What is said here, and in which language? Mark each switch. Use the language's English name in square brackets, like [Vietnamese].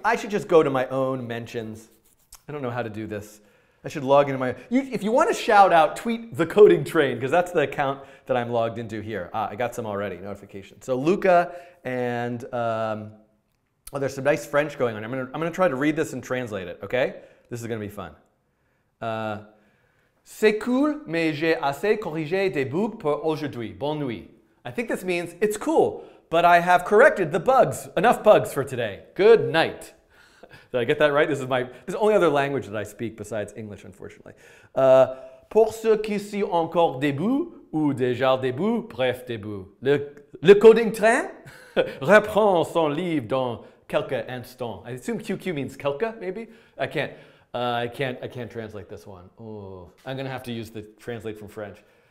[English] I should just go to my own mentions. I don't know how to do this. I should log into my. If you want a shout out, tweet the Coding Train because that's the account that I'm logged into here. Ah, I got some already notifications. So Luca and. Oh, there's some nice French going on. I'm gonna try to read this and translate it, okay? This is gonna be fun. [French] C'est cool, mais j'ai assez corrigé des bugs pour aujourd'hui. Bonne nuit. [English] I think this means it's cool, but I have corrected the bugs. Enough bugs for today. Good night. Did I get that right? This is the only other language that I speak besides English, unfortunately. [French] Pour ceux qui sont encore debout ou déjà debout, bref debout. Le coding train reprend son livre dans quelques instants. [English] I assume QQ means quelque, maybe? I can't translate this one. Oh, I'm gonna have to use the translate from French.